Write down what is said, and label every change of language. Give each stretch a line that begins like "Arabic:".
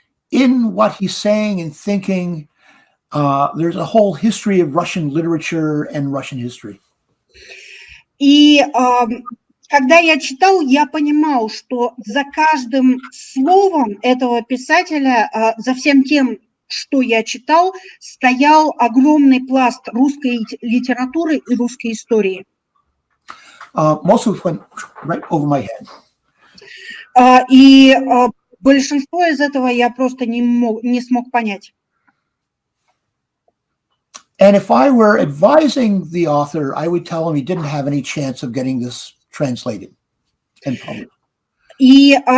English: In what he's saying and thinking, there's a whole history of Russian literature and Russian history.
Russian: И когда я читал, я понимал, что за каждым словом этого писателя, за всем тем, что я читал, стоял огромный пласт русской литературы и русской истории.
English: Most of it went right over my head.
Russian: Большинство из этого я просто не смог понять.
English: And if I were advising the author, I would tell him he didn't have any chance of getting this translated and published.